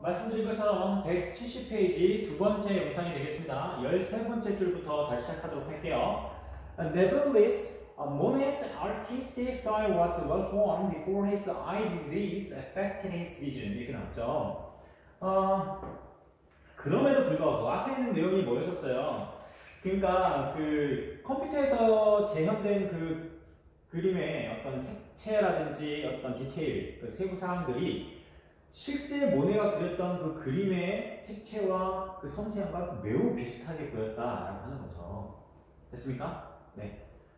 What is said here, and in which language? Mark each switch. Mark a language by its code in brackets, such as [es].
[ko] 말씀드린 것처럼 170페이지 두 번째 영상이 되겠습니다. 13번째 줄부터 다시 시작하도록 할게요. [en] Nevertheless, a Monet's artistic style was well formed before his eye disease affected his vision. [ko] 이렇게 나왔죠. 그럼에도 불구하고 앞에 있는 내용이 뭐였었어요? 그러니까 그 컴퓨터에서 재현된 그 그림의 어떤 색채라든지 어떤 디테일, 그 세부 사항들이 실제 모네가 그렸던 그 그림의 색채와 그 섬세함과 매우 비슷하게 보였다라고 하는 거죠. 됐습니까? 네.